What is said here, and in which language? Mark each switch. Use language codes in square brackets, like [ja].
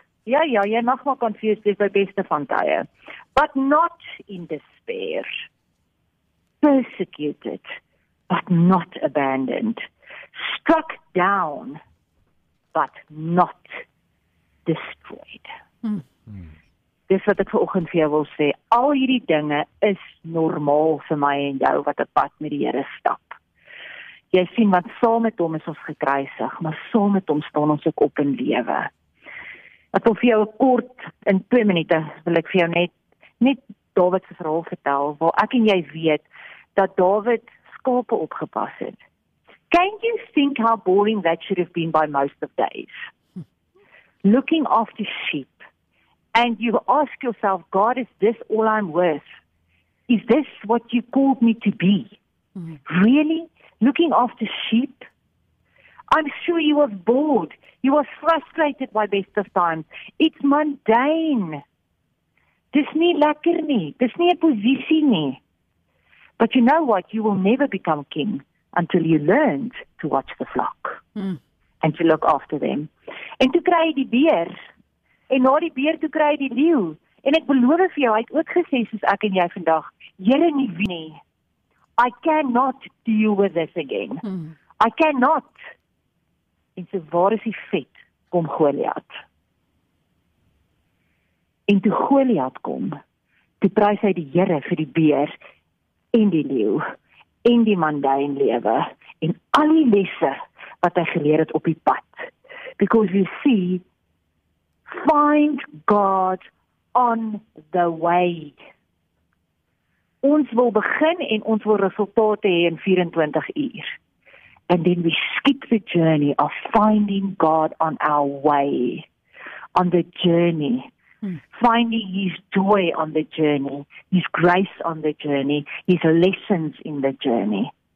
[af] Ja, ja, jy mag maar confused, dit is my beste van tye. [en] But not in despair. Persecuted, but not abandoned. Struck down, but not destroyed. [af] Dis wat ek vanoggend vir jou wil sê. Al hierdie dinge is normaal vir my en jou wat 'n pad met die Here stap. Jy sien wat saam met hom is ons gekruisig, maar saam met hom staan ons ook op in lewe. Ek wil vir jou kort in 2 minute wil ek vir jou net Dawid se verhaal vertel waar ek en jy weet dat Dawid skape opgepas het. [en] Can't you think how boring that should have been by most of days? Looking after sheep. And you ask yourself, God, is this all I'm worth? Is this what you called me to be? Really? Looking after sheep? I'm sure you were bored. You were frustrated by best of times. It's mundane. [af] Dis nie lekker nie. Dis nie 'n posisie nie. [en] But you know what? You will never become king until you learned to watch the flock. And to look after them. [af] En toe kry jy die beer. En na die beer toe kry hy die leeu. En ek beloof vir jou, hy het ook gesê soos ek en jy vandag, Here nie wie nie. [en] I cannot deal with this again. I cannot. [af] En so waar is die vet? Kom Goliath. En toe Goliath kom, toe prys hy die Here vir die beer en die leeu en die mundane lewe en al die lesse wat hy geleer het op die pad. [en] Because you see, find God on the way. [af] Ons wil begin en ons wil resultate hê in 24 uur. [en] And then we skip the journey of finding God on our way, on the journey, finding His joy on the journey, His grace on the journey, His lessons in the journey.